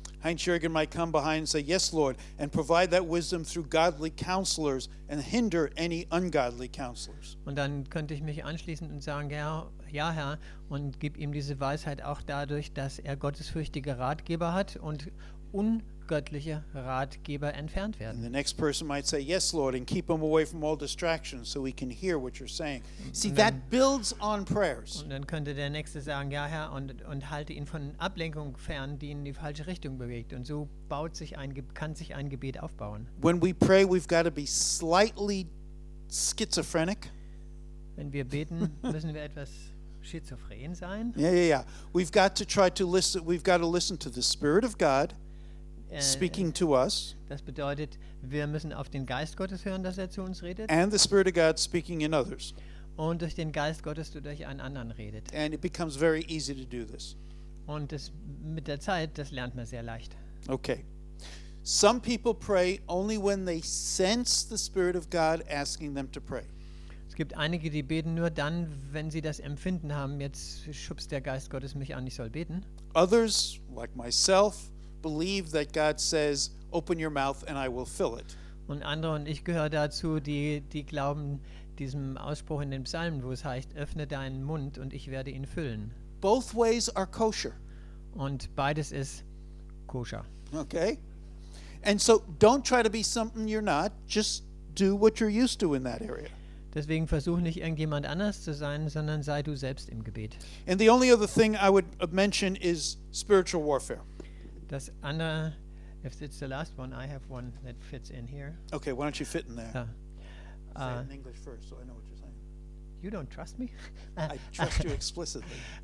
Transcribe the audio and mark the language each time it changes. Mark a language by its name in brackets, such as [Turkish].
[English] Heinz Jürgen might come behind and say, yes, Lord, and provide that wisdom through godly counselors and hinder any ungodly counselors. [German] Und dann könnte ich mich anschließen und sagen, ja, Herr, und gib ihm diese Weisheit auch dadurch, dass er gottesfürchtige Ratgeber hat und ungöttliche Ratgeber entfernt werden. [English] And the next person might say, yes, Lord, and keep him away from all distractions so he can hear what you're saying. See, that builds on prayers. [German] Und dann könnte der Nächste sagen, ja, Herr, und halte ihn von Ablenkung fern, die ihn in die falsche Richtung bewegt. Und so kann sich ein Gebet aufbauen. [English] When we pray, we've got to be slightly schizophrenic. [German] Wenn wir beten, müssen wir etwas schizophren sein. [English] Yeah. We've got to listen to the Spirit of God speaking to us. [German] Das bedeutet, wir müssen auf den Geist Gottes hören, dass er zu uns redet. [English] And the Spirit of God speaking in others. [German] Und durch den Geist Gottes, du durch einen anderen redet. [English] And it becomes very easy to do this. [German] Und das mit der Zeit, das lernt man sehr leicht. [English] Okay. Some people pray only when they sense the Spirit of God asking them to pray. [German] Es gibt einige, die beten nur dann, wenn sie das Empfinden haben, jetzt schubst der Geist Gottes mich an, ich soll beten. [English] Others, like myself, believe that God says, open your mouth and I will fill it. [German] Und andere, und ich gehöre dazu, die glauben diesem Ausspruch in den Psalmen, wo es heißt, öffne deinen Mund und ich werde ihn füllen. [English] Both ways are kosher. [German] Und beides ist koscher. [English] Okay. And so don't try to be something you're not, just do what you're used to in that area. [German] Deswegen versuch nicht irgendjemand anders zu sein, sondern sei du selbst im Gebet. [English] And the only other thing I would mention is spiritual warfare. [German] Das andere, [English] if it's the last one, I have one that fits in here. Okay, why don't you fit in there? [German] Ja. [English] Say it in English first, so I know what you're saying. You don't trust me? I trust you explicitly.